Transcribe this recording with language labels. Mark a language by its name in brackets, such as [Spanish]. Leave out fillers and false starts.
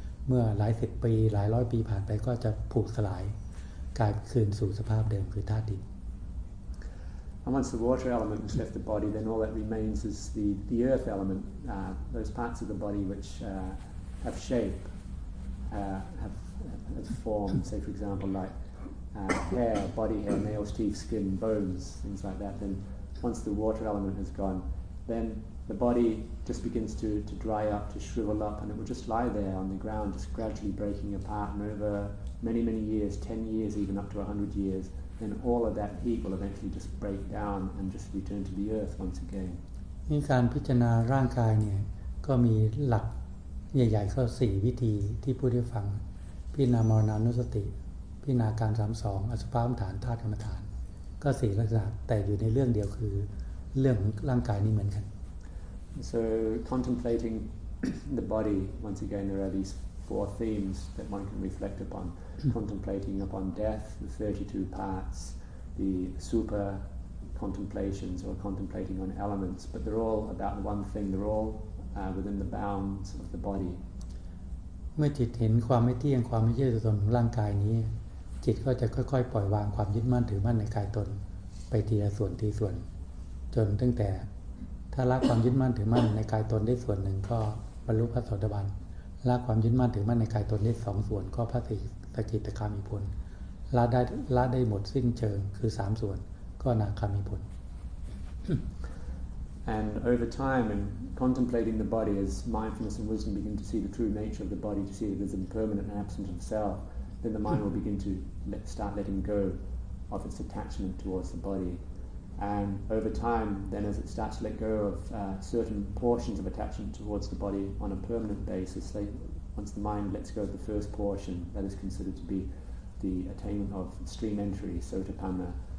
[Thai] เมื่อหลายสิบปีหลายร้อยปีผ่านไปก็จะผุสลายกลายคืนสู่สภาพเดิมคือธาตุดิน [English] And once the water element has left the body, then all that remains is the earth element, those parts of the body which have shape, have form, say for example like hair, body hair, nails, teeth, skin, bones, things like that. Then once the water element has gone, then the body just begins to dry up, to shrivel up, and it will just lie there on the ground, just gradually breaking apart. And over many, many years, 10 years, even up to 100 years, then all of that heat will eventually just break down and just return to the earth once again. [Thai] นี่การพิจารณาร่างกายเนี่ยก็มีหลักใหญ่ๆเข้า4วิธีที่พูดให้ฟังพิจารณามรณานุสติพิจารณาการ32อสุภะฐานธาตุกรรมฐานก็4ลักษณะแต่อยู่ในเรื่องเดียวคือเรื่องร่างกายนี้เหมือนกัน [English] So contemplating the body, once again there are these four themes that one can reflect upon. Contemplating upon death, the 32 parts, the super contemplations or contemplating on elements, but they're all about one thing, they're all within the bounds of the body. [Thai] เมื่อจิตเห็นความไม่เที่ยงความไม่ใช่ตัวตนของร่างกายนี้จิตก็จะค่อยๆปล่อยวางความยึดมั่นถือมั่นในกายตนไปทีละส่วนทีส่วนจนตั้งแต่ถ้าละความยึดมั่นถือมั่นในกายตนได้ส่วนหนึ่งก็บรรลุพระโสดาบันละความยึดมั่นถือมั่นในกายตนได้สองส่วนก็พระสกิทาคามีผลละได้หมดสิ้นเชิงคือสามส่วนก็อนาคามีผล [English] And over time, in contemplating the body, as mindfulness and wisdom begin to see the true nature of the body, to see it as impermanent and absent of self, then the mind will begin to start letting go of its attachment towards the body. And over time, then as it starts to let go of certain portions of attachment towards the body on a permanent basis, once the mind lets go of the first portion, that is considered to be the attainment of stream entry, sotapanna.